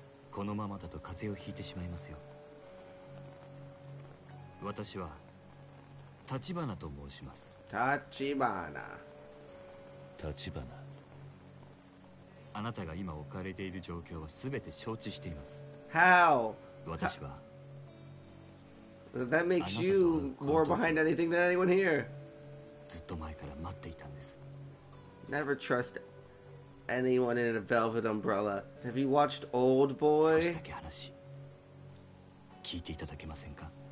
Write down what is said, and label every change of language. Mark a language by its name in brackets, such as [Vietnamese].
[Japanese] このままだと風邪をひいてしまいますよ。私は橘と申します。橘。橘。あなたが今置かれている状況は全て承知しています。 [English] How? [Japanese] 私は [English] That makes you more behind anything than anyone here. [Japanese] ずっと前から待っていたんです。 [English] Never trust anyone in a velvet umbrella. Have you watched Old Boy? [Japanese] 少しだけ話聞いていただけませんか。